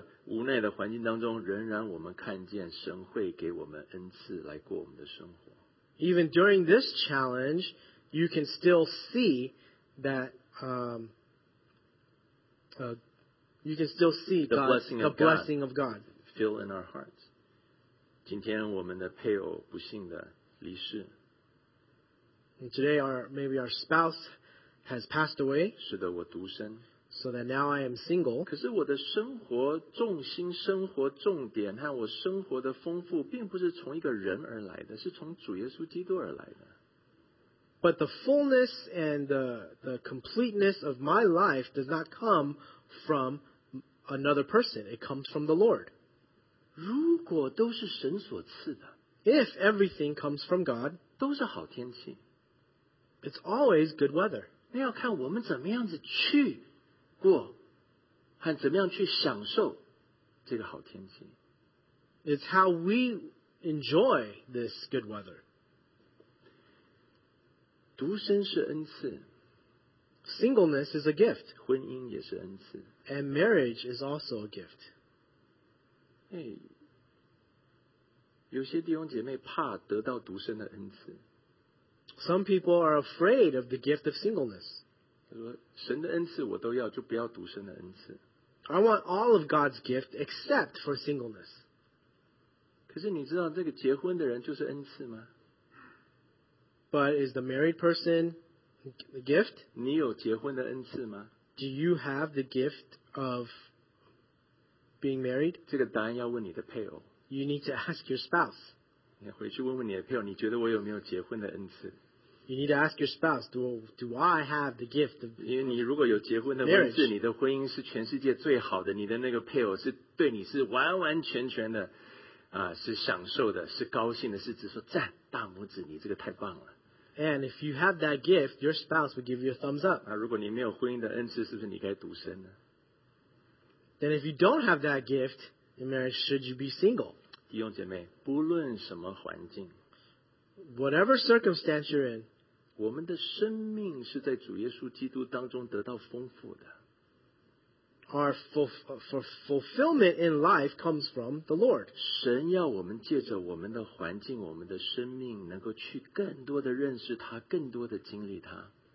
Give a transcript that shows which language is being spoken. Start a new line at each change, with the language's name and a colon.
Chinese: 无奈的环境当中，仍然我们看见神会给我们恩赐来过我们的生活。
English: Even during this challenge, you can still see that you can still see the blessing, the blessing of God fill in our hearts.
Chinese: 今天我们的配偶不幸的离世。
English: And today maybe our spouse has passed away.
Chinese: 是的，我独身。
English: So that now I am single.
Chinese: 可是我的生活重心、生活重点和我生活的丰富，并不是从一个人而来的，是从主耶稣基督而来的。
English: But the fullness and the completeness of my life does not come from another person. It comes from the Lord.
Chinese: 如果都是神所赐的
English: ，If everything comes from God，
Chinese: 都是好天气。
English: It's always good weather.
Chinese: 那要看我们怎么样子去过，和怎么样去享受这个好天气。
English: It's how we enjoy this good weather.
Chinese: 独身是恩赐
English: ，Singleness is a gift.
Chinese: 婚姻也是恩赐
English: ，And marriage is also a gift.
Chinese: 哎，有些弟兄姐妹怕得到独身的恩赐。
English: Some people are afraid of the gift of singleness.
Chinese: 他说：“神的恩赐我都要，就不要独身的恩赐。”
English: I want all of God's gift except for singleness.
Chinese: 可是你知道这个结婚的人就是恩赐吗
English: ？But is the married person a gift?
Chinese: 你有结婚的恩赐吗
English: ？Do you have the gift of being married?
Chinese: 这个答案要问你的配偶。
English: You need to ask your spouse.
Chinese: 你回去问问你的配偶，你觉得我有没有结婚的恩赐
English: ？You need to ask your spouse, do I have the gift of marriage?
Chinese: 因为你如果有结婚的恩赐，你的婚姻是全世界最好的，你的那个配偶是对你是完完全全的，是享受的，是高兴的，是只说赞，大拇指，你这个太棒了。
English: And if you have that gift, your spouse would give you a thumbs up.
Chinese: 如果你没有婚姻的恩赐，是不是你该独身呢
English: ？Then if you don't have that gift in marriage, should you be single?
Chinese: 弟兄姐妹，不论什么环境
English: ，whatever circumstance you're in，
Chinese: 我们的生命是在主耶稣基督当中得到丰富的。
English: Our fulfillment in life comes from the Lord。
Chinese: 神要我们借着我们的环境、我们的生命，能够去更多的认识他，更多的经历他。